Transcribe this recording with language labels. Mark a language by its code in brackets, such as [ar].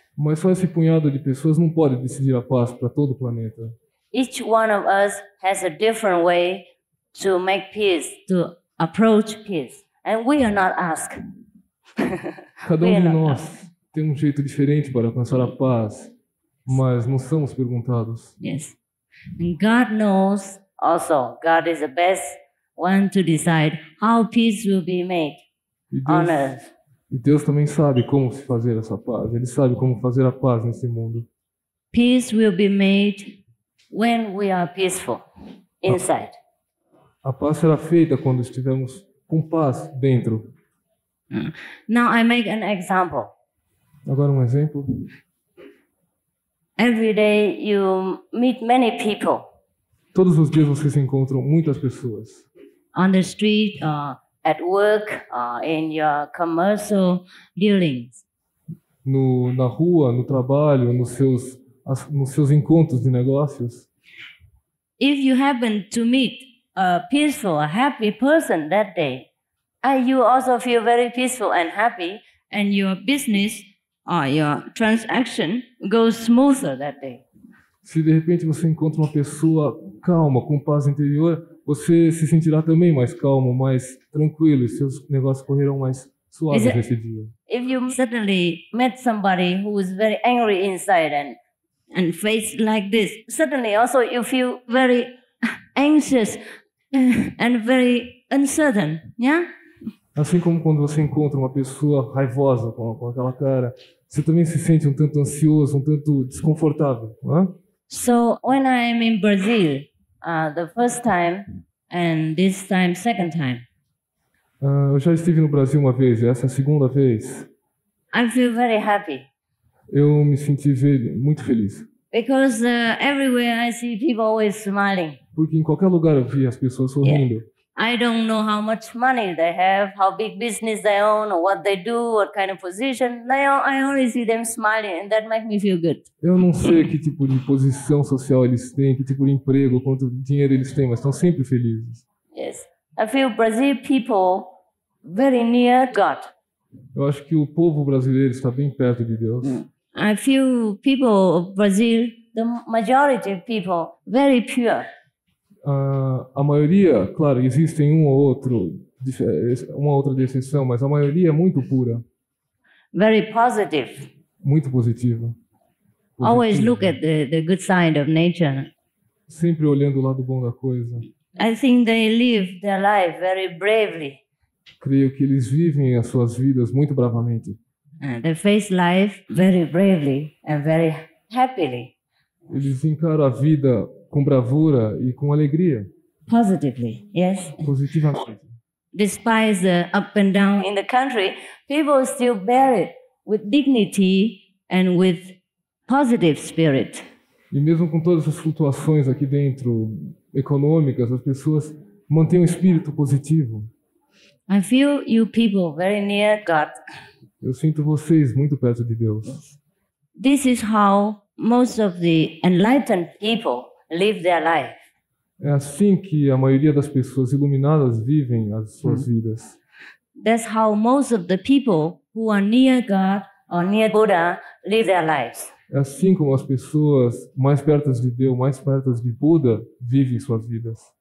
[pt] Mas só esse punhado de pessoas não pode decidir a paz para todo o planeta. [en] Each one of us has a different way to make peace, to approach peace. And we are not asked. [pt] Cada um de nós tem um jeito diferente para alcançar a paz, mas não somos perguntados. [en] Yes. And God knows also, God is the best one to decide how peace will be made on earth. [pt] E Deus também sabe como se fazer essa paz. Ele sabe como fazer a paz nesse mundo. [en] Peace will be made when we are peaceful inside. [pt] A paz será feita quando estivermos com paz dentro. [en] Now I make an example. [pt] Agora um exemplo. [en] Every day you meet many people. [pt] Todos os dias vocês encontram muitas pessoas. [en] On the street or at work or in your commercial dealings. [pt] Na rua, no trabalho, nos seus encontros de negócios. [en] If you happen to meet a peaceful, a happy person that day, and you also feel very peaceful and happy, and your business or your transaction goes smoother that day. [pt] Se de repente você encontra uma pessoa calma, com paz interior, você se sentirá também mais calmo, mais tranquilo, e seus negócios correrão mais suaves nesse dia. [en] If you suddenly met somebody who is very angry inside and face like this, suddenly also you feel very anxious and very uncertain, yeah? [pt] Assim como quando você encontra uma pessoa raivosa com aquela cara, você também se sente um tanto ansioso, um tanto desconfortável, não é? [en] So when I am in Brazil, the first time and this time second time. [pt] Eu já estive no Brasil uma vez, essa é a segunda vez. [en] I feel very happy. [pt] Eu me senti muito feliz. [en] Because everywhere I see people always smiling. Porque em qualquer lugar eu vi as pessoas sorrindo. Yeah. I don't know how much money they have, how big business they own, or what they do, what kind of position. I only see them smiling, and that makes me feel good. [pt] Eu não sei que tipo de posição social eles têm, que tipo de emprego, quanto dinheiro eles têm, mas estão sempre felizes. [en] Yes, I feel Brazil people very near God. [pt] Eu acho que o povo brasileiro está bem perto de Deus. [en] I feel people of Brazil, the majority of people, very pure. [pt] A maioria, claro, existem um ou outro, uma outra exceção, mas a maioria é muito pura. [en] Very positive. [pt] Muito positiva. [en] Always look at the good side of nature. [pt] Sempre olhando o lado bom da coisa. [en] I think they live their life very bravely. [pt] Creio que eles vivem as suas vidas muito bravamente. [en] They face life very bravely and very happily. [pt] Eles encaram a vida com bravura e com alegria. [en] Positively, yes. [pt] Positivamente. [en] Despite the up and down in the country, people still bear it with dignity and with positive spirit. [pt] E mesmo com todas as flutuações aqui dentro, econômicas, as pessoas mantêm um espírito positivo. [en] I feel you people very near God. [pt] Eu sinto vocês muito perto de Deus. [en] This is how most of the enlightened people live their life. [pt] É assim que a maioria das pessoas iluminadas vivem as suas vidas. [en] That's how most of the people who are near God or near Buddha live their lives. [pt] É assim como as pessoas mais perto de Deus, mais perto de Buda, vivem suas vidas.